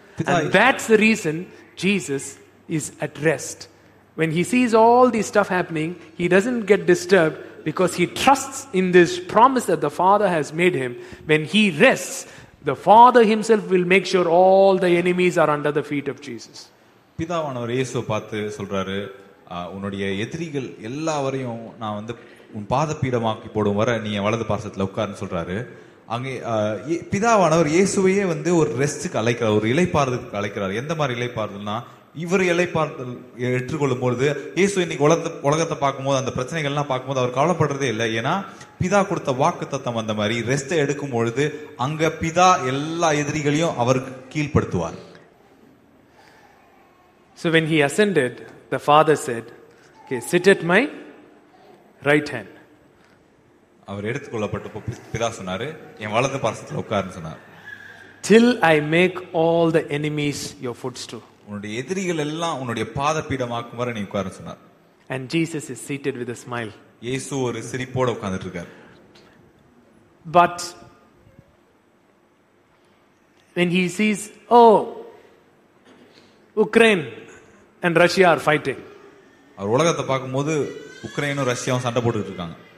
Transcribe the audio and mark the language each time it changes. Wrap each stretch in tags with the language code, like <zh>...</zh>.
<en>And that's the reason Jesus is at rest. When he sees all this stuff happening, he doesn't get disturbed because he trusts in this promise that the Father has made him. When he rests, the Father himself will make sure all the enemies are under the feet of Jesus.</en> <ta>பிதாவானவர் இயேசு பார்த்து சொல்றாரு, உன்னுடைய எதிரிகள் எல்லாவரையும் நான் வந்து உன் பாதப்பீடமாக்கி போடும் வர நீ வலது பாசத்துல உட்கார்னு சொல்றாரு. அங்கே பிதாவானவர் இயேசுவையே வந்து ஒரு ரெஸ்ட்டுக்கு அழைக்கிறார், ஒரு இளைப்பாறுதலுக்கு அழைக்கிறார். எந்த மாதிரி இளைப்பாறுதல்னா, இவர் இளைப்பாறுதல் ஏற்றுக்கொள்ளும் பொழுது இயேசு இன்னைக்கு உலகத்தை பார்க்கும்போது அந்த பிரச்சனைகள்லாம் பார்க்கும்போது அவர் கவலைப்படுறதே இல்லை. ஏன்னா பிதா கொடுத்த வாக்கு தத்தம் அந்த மாதிரி ரெஸ்டை எடுக்கும் பொழுது அங்க பிதா எல்லா எதிரிகளையும் அவருக்கு கீழ்படுத்துவார்.</ta> <en>So when he ascended, the Father said, okay, sit at my right hand.</en> <ta>அவர் எடுத்துக்கொள்ளப்பட்ட பிதா சொன்னாரு, என் வலது பாரசத்தில் உட்காருன்னு சொன்னார்.</ta> <en>Till I make all the enemies your footstool.</en> <ta>உன்னுடைய எதிரிகள் எல்லாம் உன்னுடைய பாதபீடமாக்கும் வரை நீ உட்கார்னு சொன்னார்.</ta> <en>And Jesus is seated with a smile.</en> <ta>இயேசு ஒரு சிரிப்போட உட்கார்ந்துட்டு இருக்கார்.</ta> <en>But when he sees, oh, Ukraine and Russia are fighting.</en> <ta>அவர் உலகத்தை பார்க்கும்போது உக்ரைனும் ரஷ்யாவும் சண்டை போட்டுட்டு இருக்காங்க.</ta>